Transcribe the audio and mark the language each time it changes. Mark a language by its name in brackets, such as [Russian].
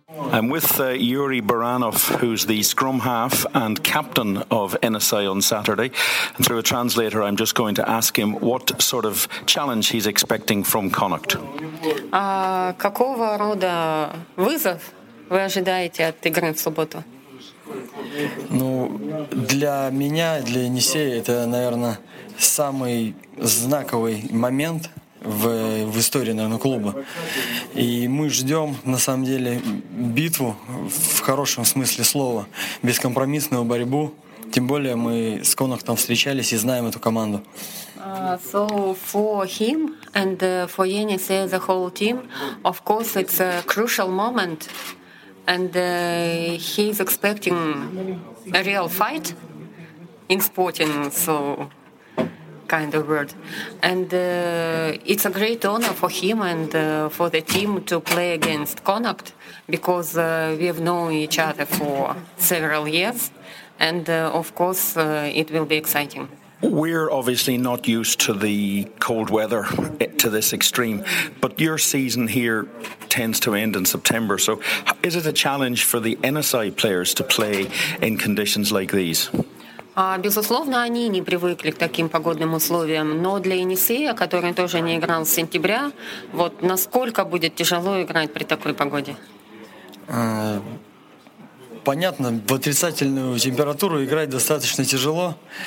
[English] I'm with Yuri Baranov, who's the scrum half and captain of NSI on Saturday. And through a translator, I'm just going to ask him what sort of challenge he's expecting from Connacht. [Russian] Какого рода вызов вы ожидаете от игры в субботу? Ну, для меня, для Енисея, это, наверное, самый знаковый момент в истории, наверное, клуба. И мы ждем, на самом деле, битву, в хорошем смысле слова, бескомпромиссную борьбу. Тем более мы с Коннахтом встречались и знаем эту команду. [English] So for him and for Енисея, the whole team, of course, it's a crucial moment. And he's expecting a real fight in sporting, so kind of word. And it's a great honor for him and for the team to play against Connacht, because we've known each other for several years. And of course, it will be exciting. We're obviously not used to the cold weather to this extreme, but your season here tends to end in September. So is it a challenge for the NSI players to play in conditions like these? [Russian] Безусловно, они не привыкли к таким погодным условиям. Но для Енисея, который тоже не играл с сентября, вот насколько будет тяжело играть при такой погоде? Понятно, в отрицательную температуру играть достаточно тяжело.